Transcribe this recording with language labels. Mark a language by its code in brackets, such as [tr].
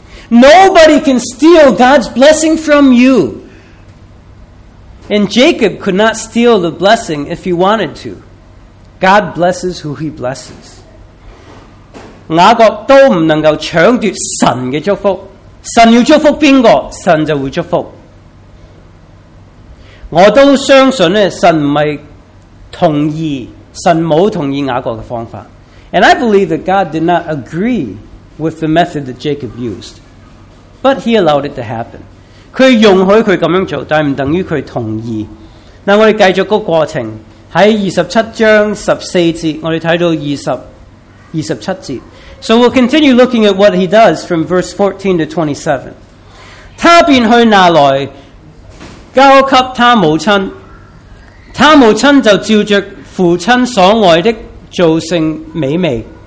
[en] Nobody can steal God's blessing from you. And Jacob could not steal the blessing if he wanted to. God blesses who he blesses. [zh] 雅各都不能够抢夺神的祝福，神要祝福谁，神就会祝福。我都相信呢，神不是同意，神没有同意雅各的方法。 [en] And I believe that God did not agree with the method that Jacob used, but he allowed it to happen. [zh] 他容许他这样做，但不等于他同意。那我们继续个过程，在27章14節我们看到27節。 [en] So we'll continue looking at what he does from verse 14 to 27. [zh] 他便去那来交给他母亲，他母亲就照着父亲所爱的造成美味。